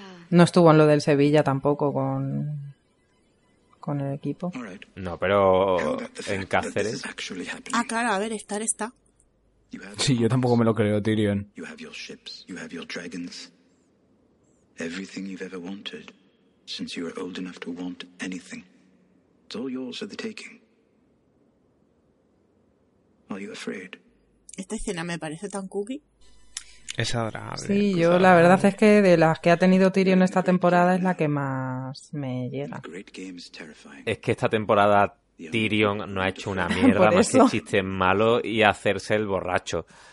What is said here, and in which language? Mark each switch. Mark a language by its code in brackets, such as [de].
[es] No estuvo en lo del Sevilla tampoco con el equipo. No, pero en Cáceres. Ah, claro, a ver, estar está. Sí, yo tampoco me lo creo, Tyrion. [en] You have your ships, you have your dragons. Everything you've ever wanted since you were old enough to want anything. It's all yours for the taking. [es] Esta escena me parece tan cookie. Es adorable. Sí, yo la verdad es que de las que ha tenido Tyrion esta temporada es la que más me llega. Es que esta temporada Tyrion no ha hecho una mierda más que chistes malos y hacerse el borracho.